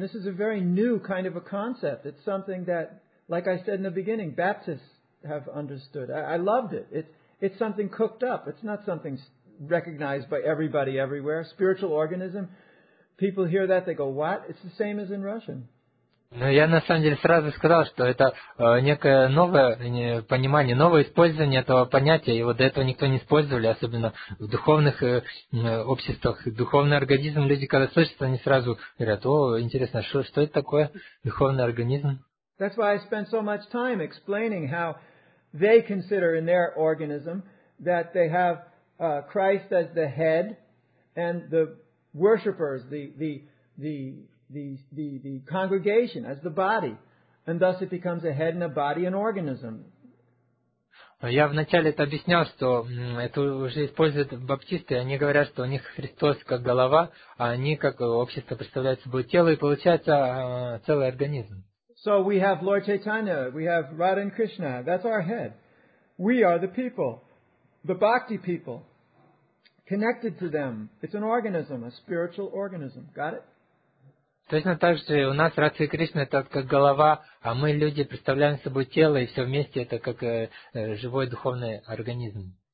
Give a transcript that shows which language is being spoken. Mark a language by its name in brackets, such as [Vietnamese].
[English] This is a very new kind of a concept. It's something that, like I said in the beginning, Baptists have understood. I loved it. It's something cooked up. It's not something recognized by everybody everywhere. Spiritual organism, people hear that, they go, what? It's the same as in Russian. [Russian] Но я на самом деле сразу сказал, что это некое новое понимание, новое использование этого понятия. Его до этого никто не использовал, особенно в духовных обществах. Духовный организм, люди, когда слышат, они сразу говорят, о, интересно, что это такое, духовный организм? [English] That's why I spend so much time explaining how they consider in their organism that they have Christ as the head and the worshippers, the congregation as the body, and thus it becomes a head and a body, an organism. [Russian] Я вначале это объяснял, что это уже используют баптисты, они говорят, что у них Христос как голова, а они как общество представляют собой тело, и получается целый организм. [English] So we have Lord Chaitanya, we have Radha and Krishna, that's our head. We are the people, the bhakti people, connected to them. It's an organism, a spiritual organism. Got it? [Russian] Точно так же у нас Радха и Кришна это как голова, а мы люди представляем собой тело, и все вместе это как живой духовный организм.